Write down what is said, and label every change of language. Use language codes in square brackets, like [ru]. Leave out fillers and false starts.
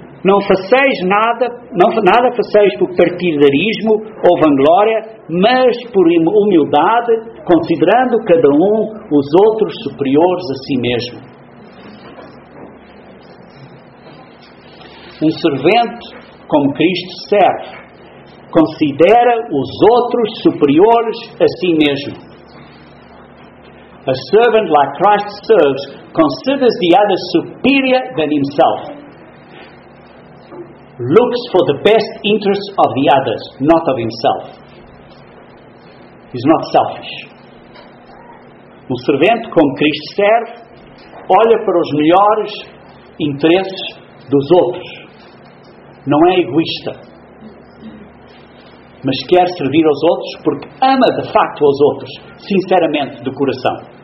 [pt] Não façais nada, nada façais por partidarismo ou vanglória, mas por humildade, considerando cada um os outros superiores a si mesmo. Um servente, como Cristo serve, considera os outros superiores a si mesmo. [en] A servant, like Christ serves, considers the other superior than himself. Looks for the best interests of the others, not of himself. He's not selfish. [pt] Um servente, como Cristo serve, olha para os melhores interesses dos outros. Não é egoísta. Mas quer servir aos outros porque ama de facto aos outros, sinceramente, do coração.